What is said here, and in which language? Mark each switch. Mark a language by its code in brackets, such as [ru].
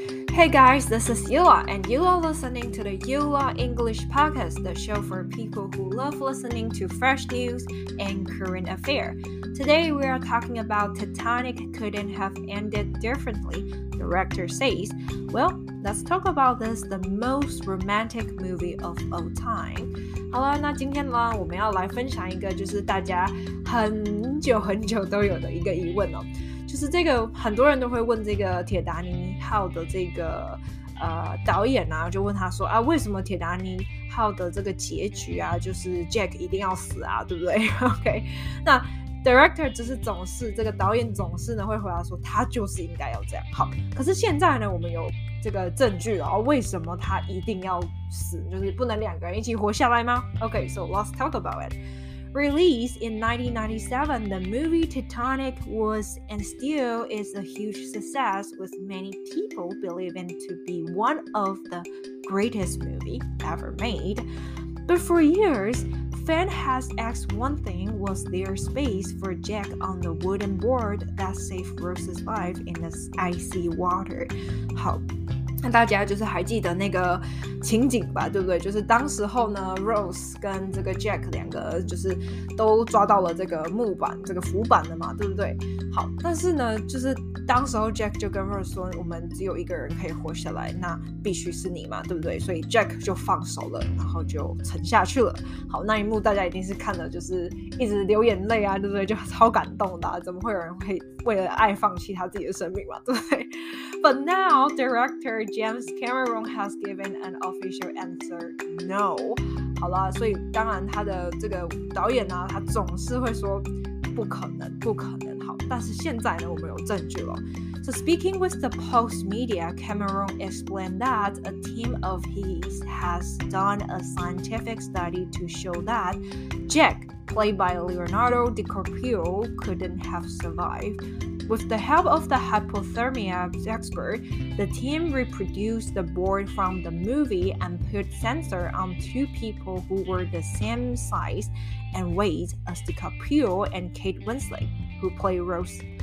[en] Hey guys, this is Yula, and you are listening to the Yula English Podcast, the show for people who love listening to fresh news and current affairs. Today we are talking about Titanic couldn't have ended differently, director says. Well, let's talk about this, the most romantic movie of all time. [zh] 好了，那今天呢，我们要来分享一个就是大家很久很久都有的一个疑问哦。就是这个很多人都会问这个铁达尼号的这个导演啊，就问他说啊，为什么铁达尼号的这个结局啊，就是 Jack 一定要死啊，对不对 ？OK， 那 director 就是总是这个导演总是呢会回答说他就是应该要这样。好，可是现在呢，我们有这个证据了，为什么他一定要死？就是不能两个人一起活下来吗 ？OK， [en] so let's talk about it. Released in 1997, the movie Titanic was and still is a huge success, with many people believing to be one of the greatest movies ever made. But for years, fans has asked one thing: was there space for Jack on the wooden board that saved Rose's life in the icy water? [zh] 好，那大家就是还记得那个情景吧，对不对？就是当时候呢 ，Rose 跟这个 Jack 两个就是都抓到了这个木板，这个浮板的嘛，对不对？好，但是呢，就是当时候 Jack 就跟 Rose 说，我们只有一个人可以活下来，那必须是你嘛，对不对？所以 Jack 就放手了，然后就沉下去了。好，那一幕大家一定是看了就是一直流眼泪啊，对不对？就超感动的啊，怎么会有人会为了爱放弃他自己的生命嘛，对不对？ [en] But now director James Cameron has given an official answer no. [zh] 好啦，所以当然他的这个导演啊，他总是会说不可能，不可能。好，但是现在呢，我们有证据了。 [en] So speaking with the Post Media, Cameron explained that a team of his has done a scientific study to show that Jack, played by Leonardo DiCaprio, couldn't have survived. With the help of the hypothermia expert, the team reproduced the board from the movie and put sensor on two people who were the same size and weight as DiCaprio and Kate Winslet, who play Rose.